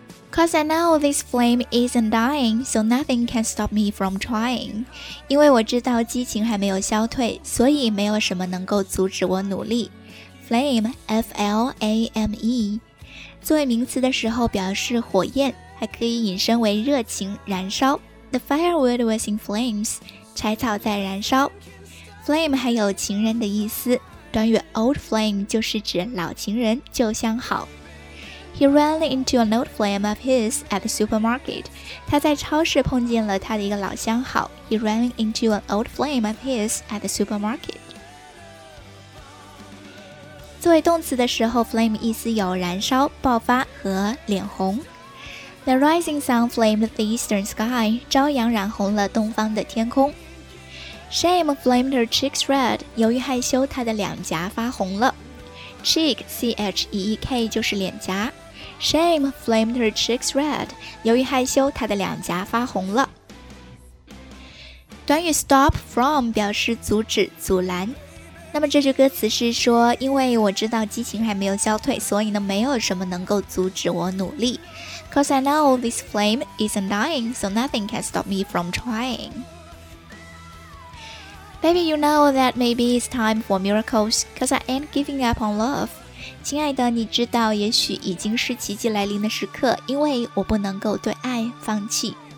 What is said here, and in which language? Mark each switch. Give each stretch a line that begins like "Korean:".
English: Cause I know this flame isn't dying, so nothing can stop me from trying.
Chinese: 因为我知道激情还没有消退，所以没有什么能够阻止我努力。
English: Flame, F-L-A-M-E.
Chinese: 作为名词的时候表示火焰，还可以引申为热情、燃烧。
English: The firewood was in flames.
Chinese: 柴草在燃烧。 Flame 还有情人的意思，短语 old flame 就是指老情人、旧相好。
English: He ran into an old flame of his at the supermarket.
Chinese: 他在超市碰见了他的一个老相好。
English: He ran into an old flame of his at the supermarket.
Chinese: 作为动词的时候 flame 意思有燃烧、爆发和脸红。
English: The rising sun flamed the eastern sky.
Chinese: 朝阳染红了东方的天空。
English: Shame flamed her cheeks red.
Chinese: 由于害羞她的两颊发红了。Cheek, C-H-E-E-K, 就是脸颊。
English: Shame flamed her cheeks red.
Chinese: 由于害羞，她的两颊发红了。短语 stop from 表示阻止、阻拦。那么这句歌词是说，因为我知道激情还没有消退，所以呢，没有什么能够阻止我努力。
English: Cause I know this flame isn't dying, so nothing can stop me from trying. Baby, you know that maybe it's time for miracles, cause I ain't giving up on love.
Chinese: 亲爱的，你知道也许已经是奇迹来临的时刻，因为我不能够对爱放弃。